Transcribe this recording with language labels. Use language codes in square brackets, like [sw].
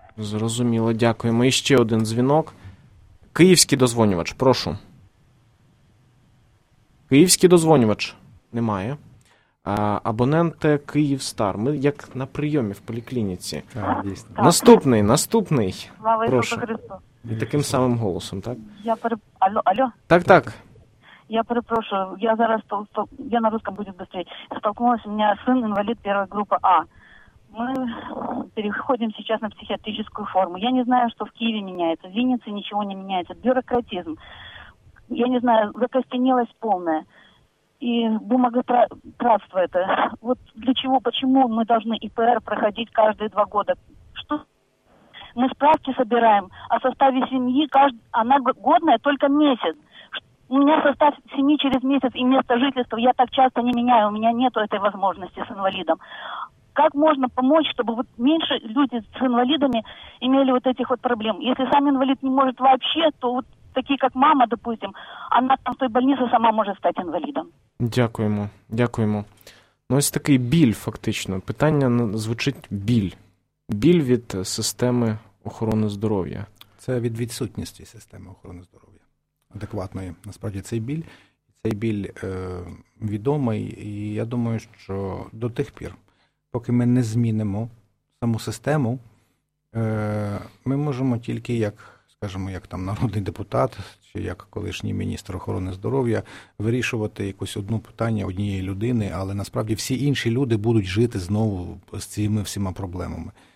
[uk] Зрозуміло, дякуємо. І ще один дзвінок. Київський дозвонювач, прошу. Київський дозвонювач? Немає. Абоненте «Київстар». Ми як на прийомі в поліклініці. Так. Наступний. Слава Ісусу Христу. І таким самим голосом, так? Алло? Так. Я перепрошую, я зараз я [ru] на русском буду быстрее. Столкнулась, у меня сын инвалид первой группы А. Мы переходим сейчас на психиатрическую форму. Я не знаю, что в Киеве меняется. В Виннице ничего не меняется. Бюрократизм. Я не знаю, закостенелость полная. И бумаготравство это. Вот для чего, почему мы должны ИПР проходить каждые 2 года? Что? Мы справки собираем о составе семьи. Она годная только месяц. У меня состав семьи через месяц и место жительства. Я так часто не меняю. У меня нет этой возможности с инвалидом. Как можно помочь, чтобы вот меньше люди с инвалидами имели вот этих вот проблем? Если сам инвалид не может вообще, то вот такие, как мама, допустим, она там в той больнице сама может стать инвалидом. [uk] Дякуємо. Ну, ось такий біль, фактично. Питання звучить біль. Біль від системи охорони здоров'я. Це від відсутності системи охорони здоров'я. Адекватної. Насправді цей біль відомий, і я думаю, що до тих пір, поки ми не змінимо саму систему, ми можемо тільки, як, скажімо, як там народний депутат, чи як колишній міністр охорони здоров'я, вирішувати якусь одну питання однієї людини, але насправді всі інші люди будуть жити знову з цими всіма проблемами.